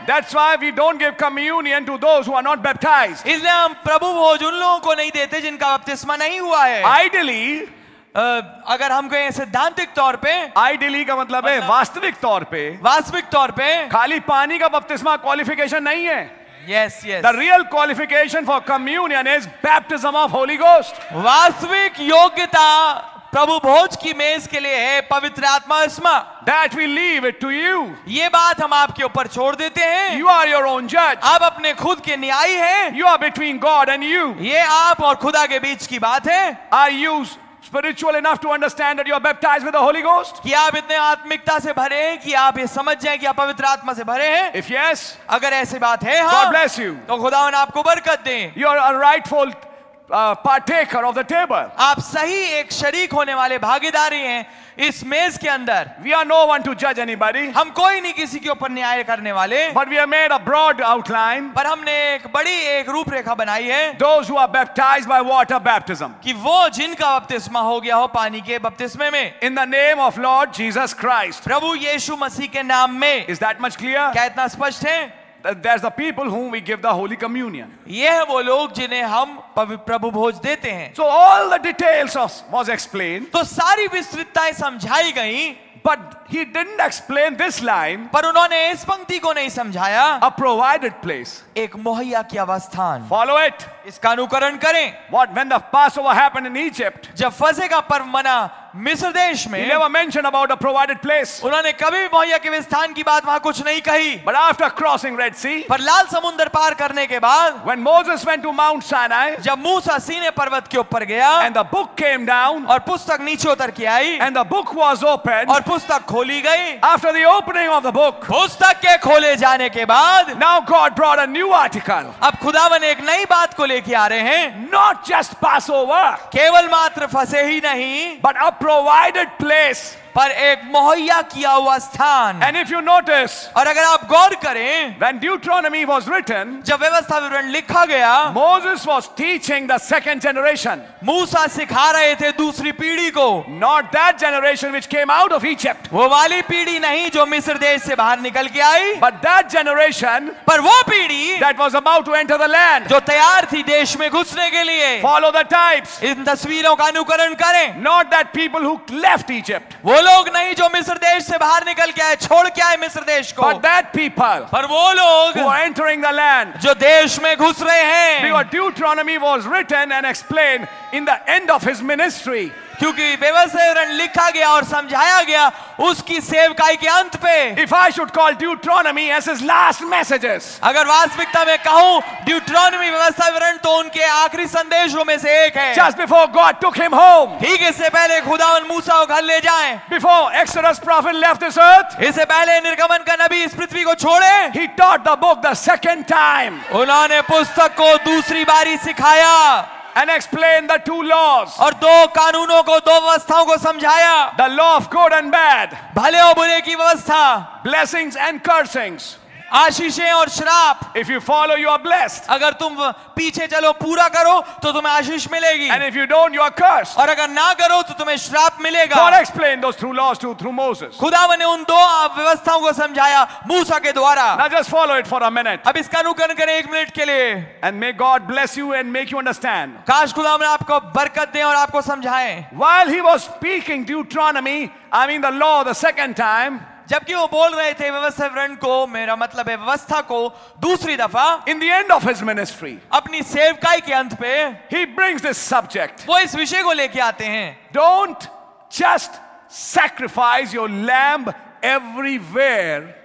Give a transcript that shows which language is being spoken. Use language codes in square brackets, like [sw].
[en] that's why we don't give communion to those who are not baptised [hi] इसलिए हम प्रभु भोज उन लोगों को नहीं देते जिनका बपतिस्मा नहीं हुआ है [en] ideally [hi] अगर हम कहें सिद्धांतिक तौर पे आइडियली का मतलब है वास्तविक तौर पे खाली पानी का बपतिस्मा क्वालिफिकेशन नहीं है [en] Yes, yes. The real qualification for communion is baptism of Holy Ghost. [hi] वास्तविक योग्यता प्रभु भोज की मेज के लिए है पवित्र आत्मा स्मा [en] That we leave it to you. [hi] ये बात हम आपके ऊपर छोड़ देते हैं [en] You are your own judge. [hi] आप अपने खुद के न्यायी हैं [en] You are between God and you. [hi] ये आप और खुदा के बीच की बात है [en] Are you spiritual enough to understand that you are baptized with the Holy Ghost? [hi] कि आप इतने आत्मिकता से भरे हैं कि आप ये समझ जाएं कि आप पवित्र आत्मा से भरे हैं? [en] If yes, [hi] अगर ऐसी बात है हाँ, [en] God bless you. [hi] तो खुदावन आपको बरकत दें. [en] You are a rightful partaker of the table. [hi] आप सही एक शरीक होने वाले भागीदारी हैं इस मेज के अंदर. [en] We are no one to judge anybody. [hi] हम कोई नहीं किसी के ऊपर न्याय करने वाले. [en] But we have made a broad outline. [hi] पर हमने एक बड़ी एक रूपरेखा बनाई है. [en] Those who are baptized by water baptism. [hi] कि वो जिनका बपतिस्मा हो गया हो पानी के बपतिस्मे में. [en] In the name of Lord Jesus Christ. [hi] प्रभु यीशु मसीह के नाम में. [en] Is that much clear? [hi] क्या इतना स्पष्ट है? [en] There's the people whom we give the Holy Communion. [hi] ये है वो लोग जिन्हें हम प्रभु भोज देते हैं. [en] So all the details was explained. [hi] तो सारी विस्तृतताएं समझाई गईं. [en] But he didn't explain this line. [hi] पर उन्होंने इस पंक्ति को नहीं समझाया. [en] A provided place. [hi] एक मुहैया किया हुआ स्थान. [en] Follow it. [hi] इसका अनुकरण करें. [en] What when the Passover happened in Egypt? [hi] जब फसे का पर्व मना मिस्र देश में [en] He never mentioned about a provided place. [hi] उन्होंने कभी मुहैया के स्थान की बात वहां कुछ नहीं कही. [en] But after crossing Red Sea, [hi] पर लाल समुद्र पार करने के बाद [en] when Moses went to Mount Sinai, [hi] जब मूसा सीने पर्वत के ऊपर गया [en] and the book came down, [hi] और पुस्तक नीचे उतर के आई [en] and the book was opened, [hi] और पुस्तक खोली गई [en] after the opening of the book, [hi] पुस्तक के खोले जाने के बाद [en] now God brought a new article. [hi] अब खुदावन एक नई बात को लेके आ रहे हैं. [en] Not just Passover, [hi] केवल मात्र फसे ही नहीं [en] but a provided place, [hi] पर एक मुहैया किया हुआ स्थान. [en] And if you notice, [hi] और अगर आप गौर करें [en] when Deuteronomy was written, [hi] जब व्यवस्था विवरण लिखा गया [en] Moses was teaching the second generation, [hi] मूसा सिखा रहे थे दूसरी पीढ़ी को. [en] Not that generation which came out of Egypt, [hi] वो वाली पीढ़ी नहीं जो मिस्र देश से बाहर निकल के आई [en] but that generation, [hi] पर वो पीढ़ी [en] that was about to enter the land, [hi] जो तैयार थी देश में घुसने के लिए. [en] Follow the types, [hi] इन तस्वीरों का अनुकरण करें. [en] Not that people who left Egypt, [hi] वो लोग नहीं जो मिस्र देश से बाहर निकल के आए, छोड़ के आए मिस्र देश को. [en] But that people, [hi] पर वो लोग [en] who are entering the land, [hi] जो देश में घुस रहे हैं. [en] Because Deuteronomy was written and explained in the end of his ministry, [hi] क्योंकि व्यवस्था विवरण लिखा गया और समझाया गया उसकी सेवकाई के अंत पे. [en] If I should call Deuteronomy as his last messages, [hi] अगर वास्तविकता में कहूं Deuteronomy व्यवस्था विवरण तो उनके आखिरी संदेशों में से एक है. [en] Just before God took him home, [hi] ठीक इससे पहले खुदावन मूसा को घर ले जाएं. [en] Before Exodus prophet left this earth, [hi] इससे पहले निर्गमन का नबी इस पृथ्वी को छोड़े, [en] he taught the book the second time, [hi] उन्होंने पुस्तक को दूसरी बारी सिखाया. [en] And explain the two laws, [hi] और दो कानूनों को दो व्यवस्थाओं को समझाया. [en] The law of good and bad, [hi] भले और बुरे की व्यवस्था. [en] Blessings and cursings, [hi] आशीषें और श्राप. [en] If you follow, you are blessed, [hi] अगर तुम पीछे चलो पूरा करो तो तुम्हें आशीष मिलेगी. [en] And if you don't, you are cursed, [hi] और अगर ना करो तो तुम्हें श्राप मिलेगा. [en] God explained those two laws to through Moses, [hi] खुदावन ने उन दो व्यवस्थाओं को समझाया मूसा के द्वारा. [en] Now just follow it for a minute, [hi] अब इसका अनुकरण करें एक मिनट के लिए. [en] And may God bless you and make you understand, [hi] काश खुदावन आपको बरकत दे और आपको समझाए. [en] While he was speaking Deuteronomy, the law the second time, [hi] जबकि वो बोल रहे थे व्यवस्था विवरण को, मेरा मतलब है व्यवस्था को, दूसरी दफा [en] in the end of his ministry, [hi] अपनी सेवकाई के अंत पे [en] ही brings this subject, [hi] वो इस विषय को लेके आते हैं. [en] don't just sacrifice your lamb everywhere,